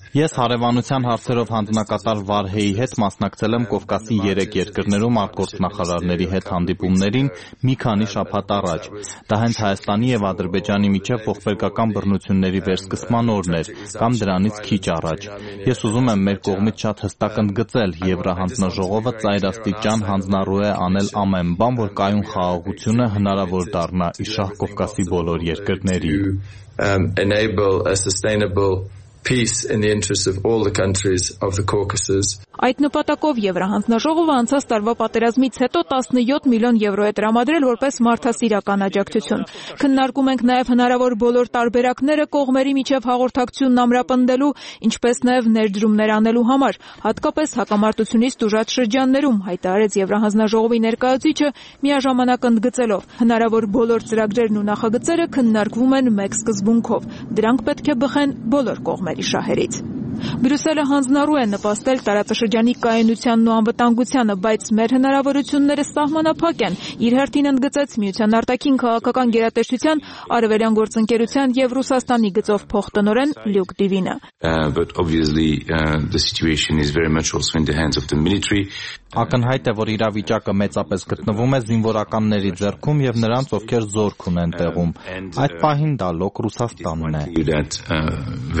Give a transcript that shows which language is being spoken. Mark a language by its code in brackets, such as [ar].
[hy] Ես հարևանության հարցերով հանձնակատար Վարհեի հետ մասնակցել եմ Կովկասի 3 երկրներում մարտգործնախարարների հետ հանդիպումներին մի քանի շաբաթ առաջ։ Դա հենց Հայաստանի եւ Ադրբեջանի միջև փոխբերգական բռնությունների վերսկսման օրն էր, կամ դրանից քիչ առաջ։ Ես ուզում եմ մեր կողմից շատ հստակ ընդգծել, Եվրահանձնաժողովը ծայրաստիճան հանձնարարու է անել ամեն բան, որ կայուն խաղաղությունը հնարավոր դառնա իշխան Կովկասի բոլոր երկրների։ [en] Enable a sustainable peace in the interests of all the countries of the Caucasus. [hy] Այդ նպատակով Եվրահանձնաժողովը անցած տարվա պատերազմից հետո 17 միլիոն եվրո է տրամադրել որպես մարդասիրական աջակցություն։ Քննարկում ենք նաև հնարավոր բոլոր տարբերակները կողմերի միջև հաղորդակցությունն ամրապնդելու, ինչպես նաև ներդրումներ անելու համար, հատկապես հակամարտությունից տուժած շրջաններում, հայտարարեց Եվրահանձնաժողովի ներկայացուցիչը միաժամանակ ընդգծելով. հնարավոր բոլոր ծրագրերն ու նախագծերը քննարկվում են մեկ սկզբունքով. Դրանք պետք է բխեն բոլոր կողմերի շահերից։ Բրյուսելը հանձնարարու է նպաստել տարածաշրջանի կայունությանն ու անվտանգությանը, բայց մեր հնարավորությունները սահմանափակ են, իր հերթին ընդգծեց միության արտաքին քաղաքական գերատեսչության արևելյան գործընկերության և Ռուսաստանի գծով փոխտնօրեն Լյուկ Դիվինը։ [en] But obviously the situation is very much also in the hands of the military. [hy] Ակնհայտ է, որ իրավիճակը մեծապես գտնվում է զինվորականների ձեռքում և նրանց, ովքեր զորք ունեն տեղում։ Այդ պահին դա լոկ Ռուսաստանն է։